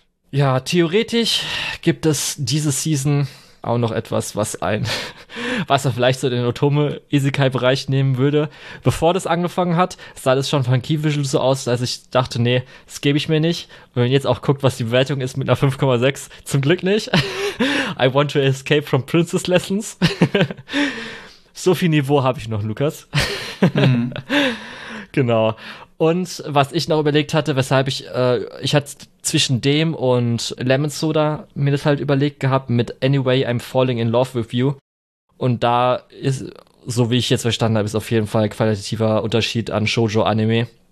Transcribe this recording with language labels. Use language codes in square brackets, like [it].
[de] Ja, theoretisch gibt es diese Season auch noch etwas, was ein, was er vielleicht so in den Otome-Isekai-Bereich nehmen würde. Bevor das angefangen hat, sah das schon von Keyvisual so aus, dass ich dachte, nee, das gebe ich mir nicht. Und wenn man jetzt auch guckt, was die Bewertung ist mit einer 5,6, zum Glück nicht. [en] I want to escape from Princess Lessons. [de] So viel Niveau habe ich noch, Lukas. Genau. Und was ich noch überlegt hatte, weshalb ich hatte zwischen dem und Lemon Soda mir das halt überlegt gehabt mit Anyway I'm Falling in Love with You. Und da ist, so wie ich jetzt verstanden habe, ist auf jeden Fall ein qualitativer Unterschied an Shoujo Anime.